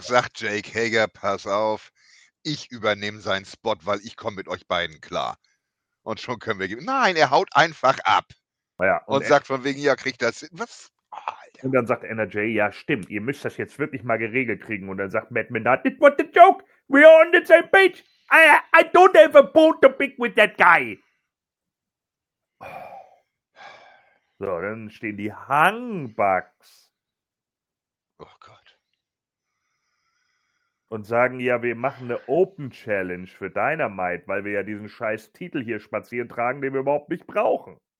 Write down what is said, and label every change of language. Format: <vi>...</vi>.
<de>sagt Jake Hager, pass auf, ich übernehme seinen Spot, weil ich komme mit euch beiden klar. Und schon können wir gehen. Nein, er haut einfach ab. Naja, Und sagt von wegen, ja, kriegt das. Was? Oh, und dann sagt NRJ, ja, stimmt, ihr müsst das jetzt wirklich mal geregelt kriegen. Und dann sagt</de> <en>Matt Menard, it was a joke. We are on the same page. I don't have a bone to pick with that guy.</en> <de>So, dann stehen die Hangbugs und sagen, ja, wir machen eine Open Challenge für Dynamite, weil wir ja diesen scheiß Titel hier spazieren tragen, den wir überhaupt nicht brauchen.</de>